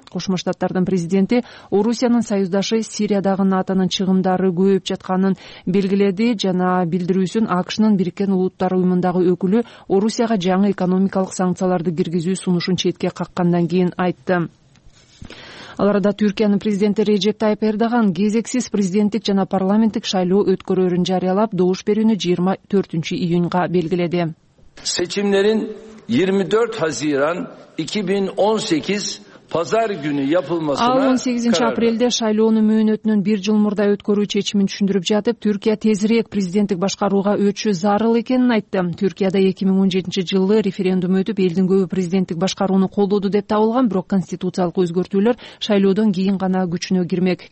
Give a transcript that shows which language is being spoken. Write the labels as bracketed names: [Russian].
[Kyrgyz] Кошмо Штаттардын президенти Орусиянын союздашы Сириядагы НАТОнун чыгымдары көбөйүп жатканын белгиледи жана билдирүүсүн АКШнын Бириккен Улуттар Уюмундагы өкүлү Орусияга жаңы экономикалык санкцияларды киргизүү сунушун четке каккандан кийин айтты. Ал арада Түркиянын президенти Режеп Тайып Эрдоган кезексиз президенттик жана парламенттик шайлоо өткөрөрүн жарыялап, добуш берүүнү 24 июнга белгиледи. [Turkish] Seçimlerin 24 Haziran 2018 Pazar günü yapılmasına [Kyrgyz] Ал 18 апрелде шайлоонун мөөнөтүнөн бир жыл мурда өткөрүү чечимин түшүндүрүп жатып, Түркия тезирээк президенттик башкарууга өтүшү зарыл экенин айтты. Түркияда 2017 жылы референдум өтүп, элдин көбү президенттик башкарууну колдоду деп табылган, бирок конституциялык өзгөртүүлөр шайлоодон кийин гана күчүнө кирмек.